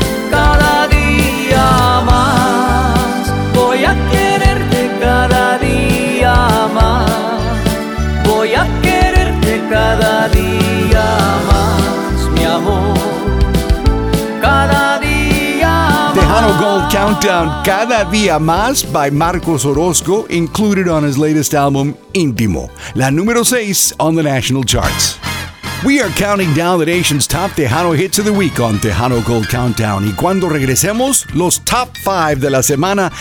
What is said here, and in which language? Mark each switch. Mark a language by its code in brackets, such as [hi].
[es] Cada día más voy a quererte, cada día más voy a quererte, cada día más, mi amor, cada día más. [en] Tejano Gold Countdown, Cada Día Más by Marcos Orozco, included on his latest album, Íntimo. [es] La número 6 [en] on the national charts. We are counting down the nation's top Tejano hits of the week on Tejano Gold Countdown. [es] Y cuando regresemos, los top 5 de la semana.